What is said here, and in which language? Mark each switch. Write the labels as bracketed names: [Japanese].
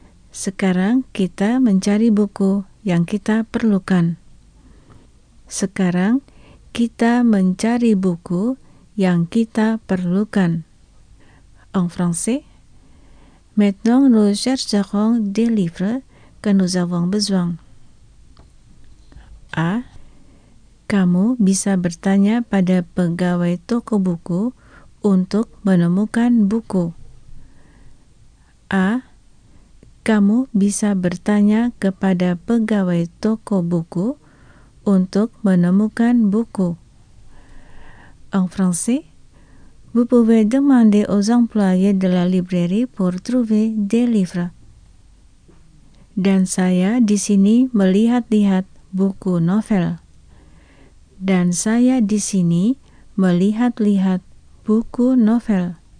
[Indonesian] Sekarang kita mencari buku yang kita perlukan. Sekarang kita mencari buku yang kita perlukan. [French] En français, maintenant nous chercherons des livres que nous avons besoin. A. [Indonesian] Kamu bisa bertanya pada pegawai toko buku untuk menemukan buku. A. Kamu bisa bertanya kepada pegawai toko buku untuk menemukan buku. [French] En français, vous pouvez demander aux employés de la librairie pour trouver des livres. [Indonesian] Dan saya di sini melihat-lihat buku novel. Dan saya di sini melihat-lihat buku novel.